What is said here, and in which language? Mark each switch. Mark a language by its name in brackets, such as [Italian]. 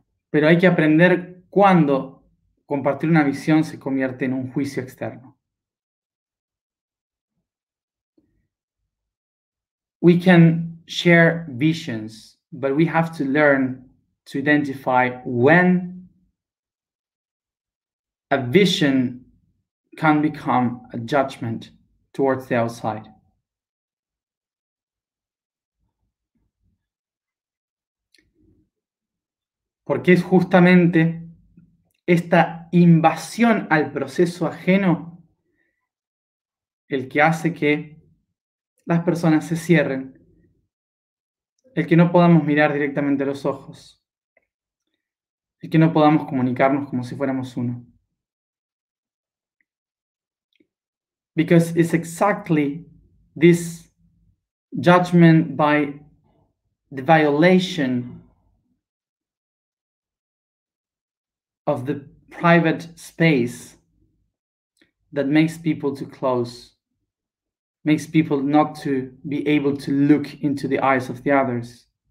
[Spanish] Pero hay que aprender cuándo compartir una visión se convierte en un juicio externo. [English] We can share visions, but we have to learn to identify when a vision can become a judgment towards the outside. [Spanish] Porque es justamente esta invasión al proceso ajeno el que hace que las personas se cierren, el que no podamos mirar directamente los ojos, el que no podamos comunicarnos como si fuéramos uno. [English] Because it's exactly this judgment by the violation of the private space that makes people to close, makes people not to be able to look into the eyes of the others.